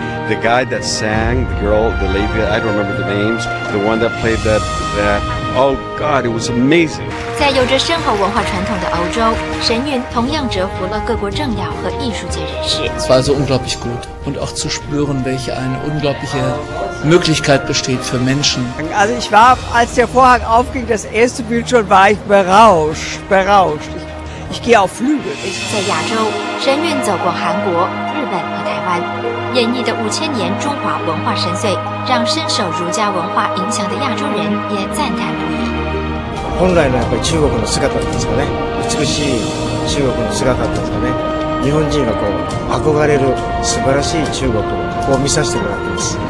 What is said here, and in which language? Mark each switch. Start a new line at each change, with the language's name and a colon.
English: The guy that sang, the girl, the lady, I don't remember the names, the one that played that. Oh God, it was amazing.
Chinese: 在有着深厚文化传统的欧洲，神韵同样折服了各国政要和艺术界人士。
German: Es war so unglaublich gut und auch zu spüren, welche eine unglaubliche Möglichkeit besteht für Menschen. Also ich war, als der Vorhang aufging, das erste Bild schon, war ich berauscht. Ich gehe auf Flügel.
Chinese: 在亚洲，神韵走过韩国、日本和台湾。演绎的5000年中华文化神髓，让深受儒家文化影响的亚洲人也赞叹不已。本来呢，
Japanese: 中国の姿ですかね、美しい中国の姿ですかね。日本人がこう憧れる素晴らしい中国を見させてもらっています。